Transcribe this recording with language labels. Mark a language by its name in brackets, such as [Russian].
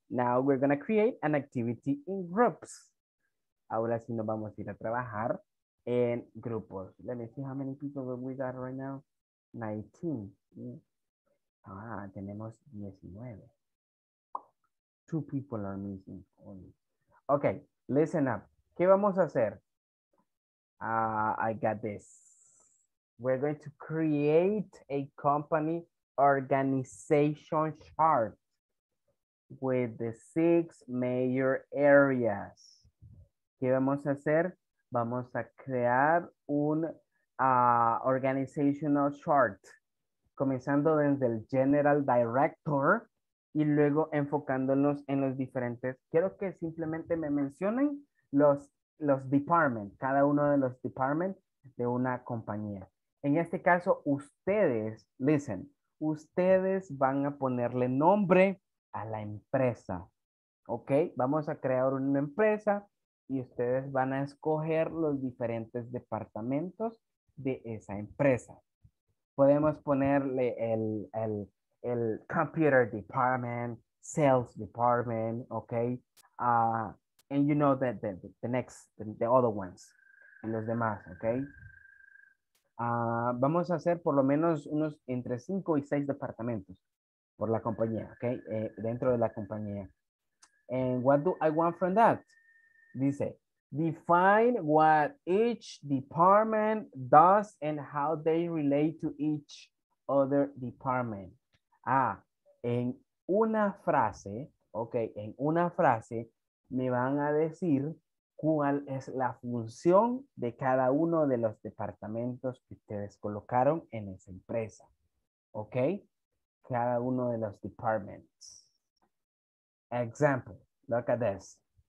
[English] Now we're gonna create an activity in groups. [Spanish] Ahora sí nos vamos a ir a trabajar en grupos. [English] Let me see how many people we got right now. [Spanish] 19. Ah, tenemos 19. [English] Two people are missing only. Okay, listen up. [Spanish] ¿Qué vamos a hacer? [English] I got this. We're going to create a company organization chart with the six major areas. [Spanish] ¿Qué vamos a hacer? Vamos a crear un organizational chart, comenzando desde el general director y luego enfocándonos en los diferentes. Quiero que simplemente me mencionen los departments, cada uno de los departments de una compañía. En este caso, ustedes, listen, ustedes van a ponerle nombre a la empresa. ¿Ok? Vamos a crear una empresa y ustedes van a escoger los diferentes departamentos de esa empresa. Podemos ponerle el computer department, sales department, ¿ok? [English] And you know that the other ones, [Spanish] y los demás, [English] ¿ok? [Spanish] Vamos a hacer por lo menos unos entre 5 y 6 departamentos por la compañía, ¿ok? Dentro de la compañía. [English] And what do I want from that? [Spanish] Dice, [English] define what each department does and how they relate to each other department. [Spanish] Ah, en una frase, ¿ok? En una frase me van a decir cuál es la función de cada uno de los departamentos que ustedes colocaron en esa empresa. ¿Ok? Cada uno de los departments. [English] Example. Look at this.